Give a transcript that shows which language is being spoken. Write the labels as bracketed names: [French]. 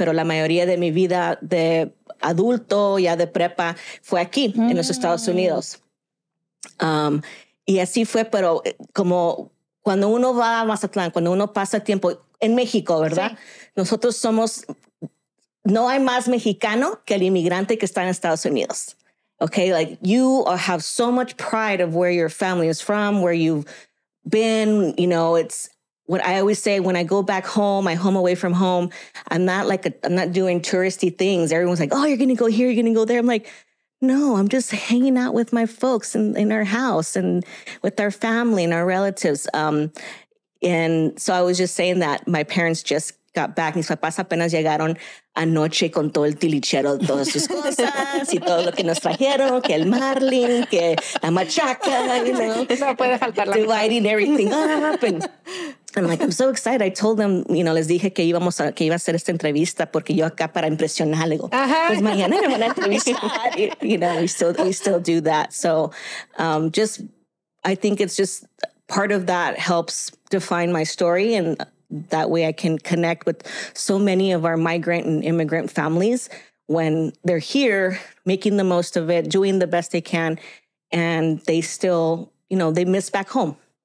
[Spanish] Pero la mayoría de mi vida de adulto, ya de prepa, fue aquí, mm. en los Estados Unidos. Y así fue, pero como cuando uno va a Mazatlán, cuando uno pasa tiempo en México, ¿verdad? Sí. Nosotros somos, no hay más mexicano que el inmigrante que está en Estados Unidos. [English] Okay, like you have so much pride of where your family is from, where you've been, you know, it's what I always say when I go back home, my home away from home, I'm not doing touristy things. Everyone's like, oh, you're going to go here, you're going to go there. I'm like, No, I'm just hanging out with my folks in our house and with our family and our relatives. And so I was just saying that my parents just got back. [Spanish] Mis papás apenas llegaron anoche con todo el tilichero, todas sus cosas y todo lo que nos trajeron, que el marlin, que la machaca, [English] you know. [Spanish] No puede faltar la [English] machaca. Dividing everything up. And I'm like, I'm so excited. I told them, you know, [Spanish] les dije que íbamos a, que iba a hacer esta entrevista porque yo acá para impresionar. Le digo, pues mañana me van a entrevistar. [English] You know, we still do that. So just, I think it's just part of that helps define my story, and that way I can connect with so many of our migrant and immigrant families when they're here, making the most of it, doing the best they can, and they still, you know, they miss back home.